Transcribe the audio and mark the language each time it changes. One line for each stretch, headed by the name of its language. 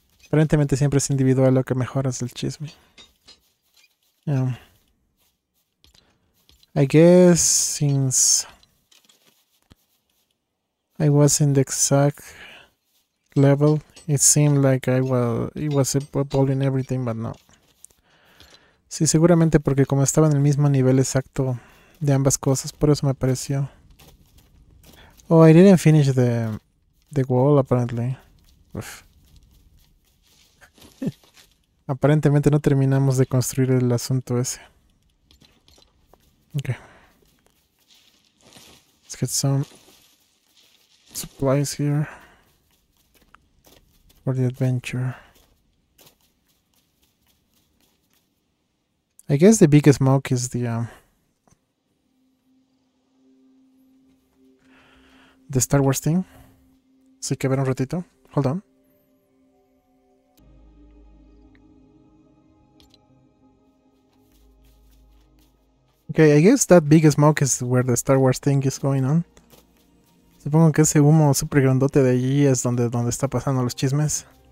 Spanish: Aparentemente siempre es individual lo que mejoras el chisme.
English: Yeah. I guess since I was in the exact level, it seemed like it was evolving everything, but no.
Spanish: Sí, seguramente porque como estaba en el mismo nivel exacto de ambas cosas, por eso me pareció.
English: Oh, I didn't finish the wall, apparently. Uf.
Spanish: Aparentemente no terminamos de construir el asunto ese. Okay.
English: Let's get some supplies here for the adventure. I guess the biggest smoke is the Star Wars thing.
Spanish: Así que ver un ratito.
English: Hold on. Okay, I guess that big smoke is where the Star Wars thing is going on.
Spanish: Supongo que ese humo super grandote de allí es donde está pasando los chismes.